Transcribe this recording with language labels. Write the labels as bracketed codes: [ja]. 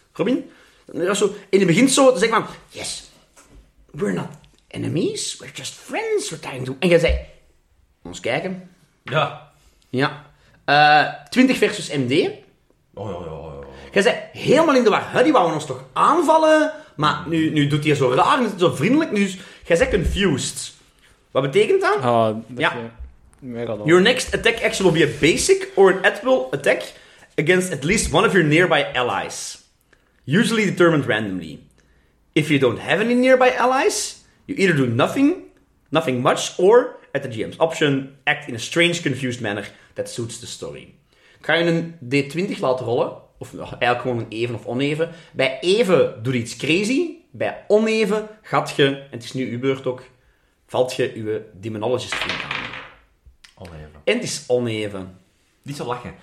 [nl] Robin. En die begint zo te zeggen van... [en] Yes. We're not enemies. We're just friends. We're trying to... [nl] En jij zei... Ons kijken. Ja. Ja. 20 versus MD. Oh, ja, ja, ja. Jij zei helemaal in de war. Die wouden ons toch aanvallen? Maar nu doet hij zo raar en zo vriendelijk. Dus jij zei confused. Wat betekent dat? Oh, dat ja. Je... [en] Your next attack action will be a basic or an at-will attack against at least one of your nearby allies. Usually determined randomly. If you don't have any nearby allies, you either do nothing much, or at the GM's option, act in a strange, confused manner that suits the story. [nl] Ik ga je een D20 laten rollen, of eigenlijk gewoon een even of oneven. Bij even doe je iets crazy, bij oneven gaat je, en het is nu uw beurt ook, valt je uw demonologist in aan. Oneven. En het is oneven. Niet zo lachen.